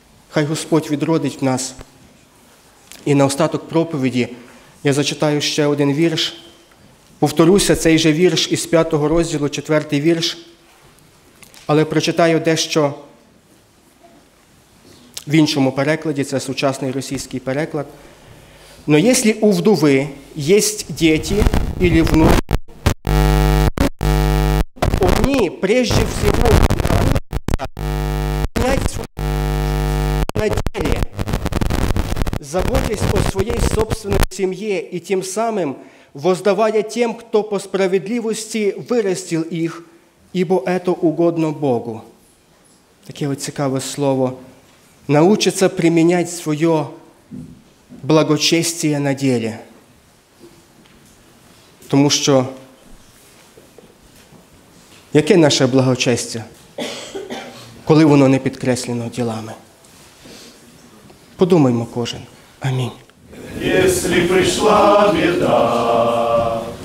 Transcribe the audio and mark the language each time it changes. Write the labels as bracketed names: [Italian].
[Ukrainian] Хай Господь відродить в нас. І на остаток проповіді я зачитаю ще один вірш. Повторюся, цей же вірш із 5 розділу, 4 вірш. Але прочитаю дещо в іншому перекладі, це сучасний російський переклад. [Russian] Но если у вдовы есть дети или внуки, они прежде всего на деле, заботясь о своей собственной семье и тем самым воздавая тем, кто по справедливости вырастил их, ибо это угодно Богу. [Ukrainian] Таке ось цікаве слово. [Russian] Научиться применять свое благочестие на деле. [Ukrainian] Тому що яке наше благочестя, коли воно не підкреслено ділами? Подумаймо кожен. Амінь. Якщо прийшла біда,